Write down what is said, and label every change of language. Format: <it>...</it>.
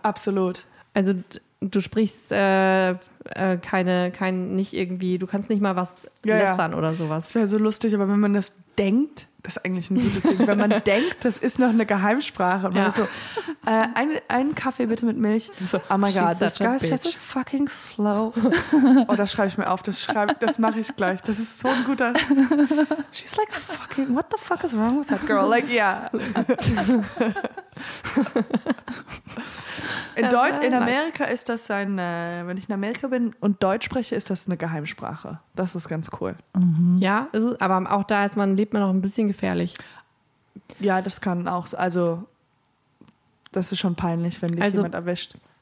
<de>Absolut. Also du sprichst nicht irgendwie, du kannst nicht mal was lästern oder sowas. Das wäre so lustig, aber wenn man das denkt, das ist eigentlich ein gutes Ding, wenn man denkt, das ist noch eine Geheimsprache. Und man ist so, einen Kaffee bitte mit Milch.</de> <en>So, oh my God, this guy is just fucking slow.</en> <de>Oh, das schreibe ich mir auf, das mache ich gleich. Das ist so ein guter...</de> <en>She's like fucking, what the fuck is wrong with that girl? Like, yeah.</en> <de>In Amerika ist das ein, wenn ich in Amerika bin und Deutsch spreche, ist das eine Geheimsprache. Das ist ganz cool. Ja, ist es, aber auch da ist man, lebt man noch ein bisschen gefährlich. Ja, das kann auch, also das ist schon peinlich, wenn dich jemand erwischt.</de>